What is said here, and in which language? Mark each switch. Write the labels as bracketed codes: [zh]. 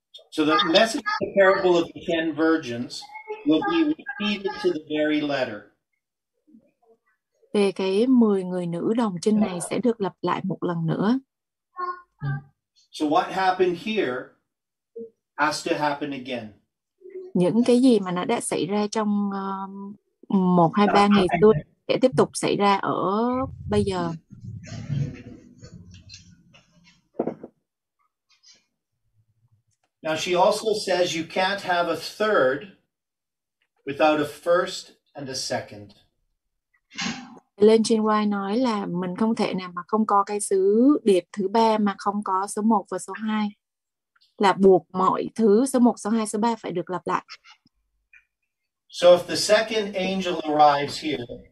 [en] So the message of the parable of the 10 virgins will be repeated to the very letter. [vi] Về cái 10 người nữ đồng trinh này sẽ được lặp lại một lần nữa. [en] So what happened here has to happen again. [vi] Những cái gì mà nó đã xảy ra trong 1 2 3 ngày trước sẽ tiếp tục xảy ra ở bây giờ. [en] Now she also says you can't have a third without a first and a second. [vi] Ellen G. White nói là mình không thể nào mà không có cái sứ điệp thứ ba mà không có số 1 và số 2. Là buộc mọi thứ số 1, số 2, số 3 phải được lặp lại. [en] So if the second angel arrives here.